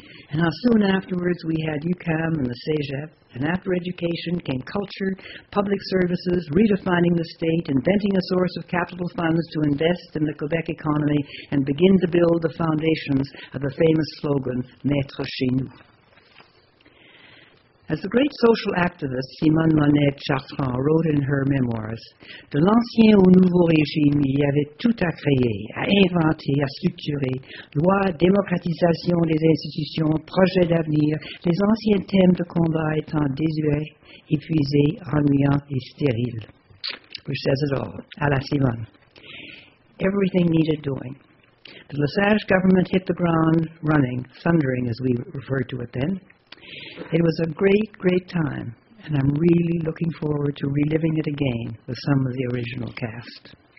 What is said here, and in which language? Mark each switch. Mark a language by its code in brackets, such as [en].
[en] And how soon afterwards we had UQAM and the CEGEP, and after education came culture, public services, redefining the state, inventing a source of capital funds to invest in the Quebec economy, and begin to build the foundations of the famous slogan, [fr] Maître chez nous. [en] As the great social activist Simone Monette Chartrand wrote in her memoirs, [fr] de l'ancien au nouveau régime, il y avait tout à créer, à inventer, à structurer, loi, démocratisation des institutions, projet d'avenir, les anciens thèmes de combat étant désuets, épuisés, ennuyants et stériles. [en] Which says it all. [fr] À la Simone. [en] Everything needed doing. The Lesage government hit the ground running, thundering as we referred to it then. It was a great, great time, and I'm really looking forward to reliving it again with some of the original cast.